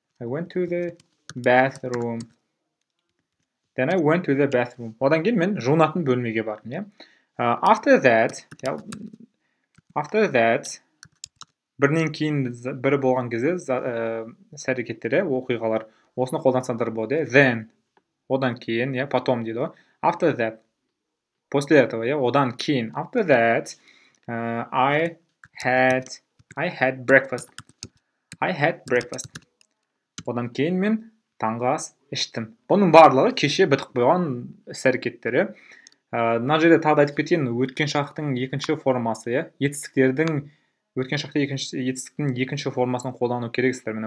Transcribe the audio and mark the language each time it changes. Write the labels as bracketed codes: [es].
[en] Then I went to the bathroom. Then I went to the bathroom. [kk] Одан кейін мен жуынатын бөлмеге бардым. [en] After that, [kk] бірінен кейін бірі болған кезде әрекеттері, оқиғалар осыны қолдансаңдар болады. [en] Then. [kk] Одан кейін, [ru] потом [kk] дейді. [en] After that. [ru] После этого, [kk] одан кейін. [en] After that, I had breakfast. I had breakfast. [kk] Одан кейін мен таңғы ас іштім. Бұның барлығы кеше бітіп болған іс-әрекеттері. Мына жерде тағы да айтып кетейін, өткен шақтың екінші формасы, етістіктің екінші формасын қолдану керексіздер.